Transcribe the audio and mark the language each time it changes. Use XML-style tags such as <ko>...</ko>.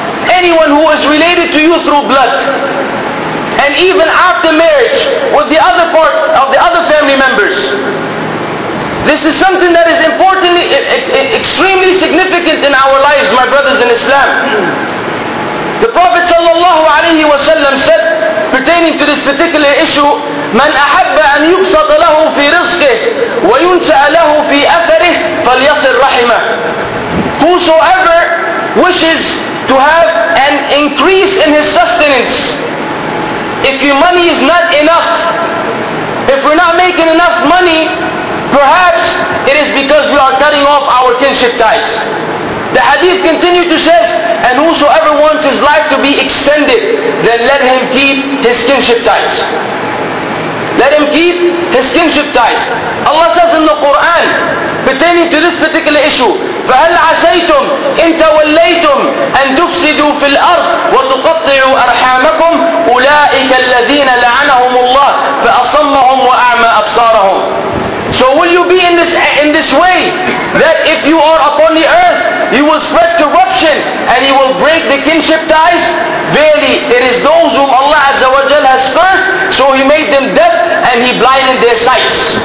<en>Anyone who is related to you through blood. And even after marriage with the other part of the other family members. This is something that is important, extremely significant in our lives, my brothers in Islam. The Prophet sallallahu alayhi wa sallam said, pertaining to this particular issue,</en> <ar>مَنْ أَحَبَّ أَنْ يُبْسَطَ لَهُ فِي رِزْقِهِ وَيُنْسَأَ لَهُ فِي أَثَرِهِ فَلْيَصِرْ رَحِمَهِ.</ar> <en>Whosoever wishes to have an increase in his sustenance. If your money is not enough, if we're not making enough money, perhaps it is because we are cutting off our kinship ties. The hadith continued to say, and whosoever wants his life to be extended, then let him keep his kinship ties. Let him keep his kinship ties. Allah says in the Quran, pertaining to this particular issue,</en> <ar>فَهَلْ عَسَيْتُمْ إِنْ تَوَلَّيْتُمْ أَنْ تُفْسِدُوا فِي الْأَرْضِ وَتُقَطِّعُوا أَرْحَامَكُمْ أُولَٰئِكَ الَّذِينَ لَعَنَهُمُ اللَّهِ فَأَصَمَّهُمْ وَأَعْمَى أَبْصَارَهُمْ.</ar> <en>So will you be in this way, that if you are upon the earth, you will spread corruption and you will break the kinship ties? Verily, it is those whom Allah Azza wa Jal has cursed, so He made them deaf and He blinded their sights.</en>